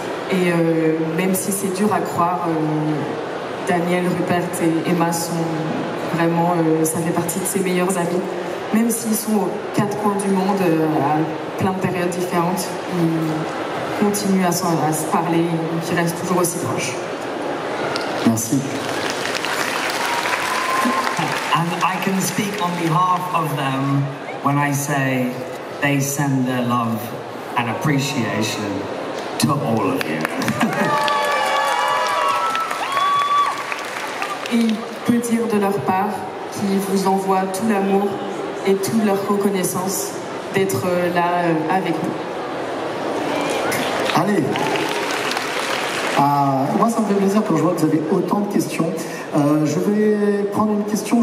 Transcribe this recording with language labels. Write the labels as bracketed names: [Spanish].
[French] Et même si c'est dur à croire, Daniel, Rupert et Emma sont vraiment, ça fait partie de ses meilleurs amis. Même s'ils sont aux quatre coins du monde, à plein de périodes différentes, ils continuent à se parler, ils restent toujours aussi proches. Merci. [English] And I can speak on behalf of them when I say they send their love and appreciation to all of you. [French] Il peut dire de leur part qu'ils vous envoient tout l'amour et toute leur reconnaissance d'être là avec nous. Allez. Moi, ça me fait plaisir quand je vois que vous avez autant de questions. Je vais prendre une question.